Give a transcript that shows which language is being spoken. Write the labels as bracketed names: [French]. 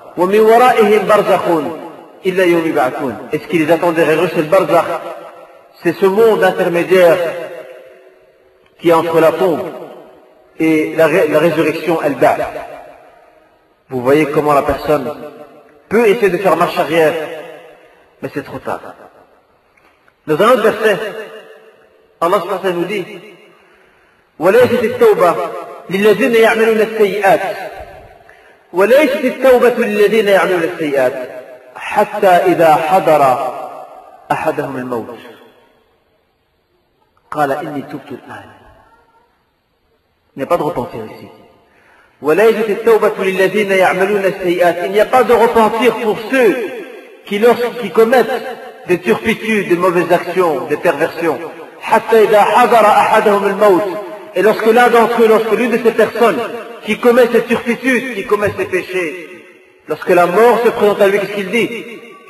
[Arabic] Wa min wara'ihim barzakhun illa yawm yub'athun. [French] Est-ce qu'il les attend derrière eux, c'est le barzakh? C'est ce monde intermédiaire qui est entre la tombe et la résurrection, al-ba'th. Vous voyez comment la personne peut essayer de faire marche arrière, mais c'est trop tard. Dans un autre verset, Allah subhanahu wa ta'ala nous dit: [Arabic] وليست التوبة للذين يعملون السيئات وليست التوبة للذين يعملون السيئات حتى إذا حضر أحدهم الموت قال إني تبت الآن. [French] Il n'y a pas de repentir ici. [Arabic] وليست التوبة للذين يعملون السيئات. [French] Il n'y a pas de repentir pour ceux qui commettent des turpitudes, des mauvaises actions, des perversions. [Arabic] حتى إذا حضر أحدهم الموت. [French] Et lorsque l'un d'entre eux, lorsque l'une de ces personnes qui commet cette turpitude, qui commet ces péchés, lorsque la mort se présente à lui, qu'est-ce qu'il dit ?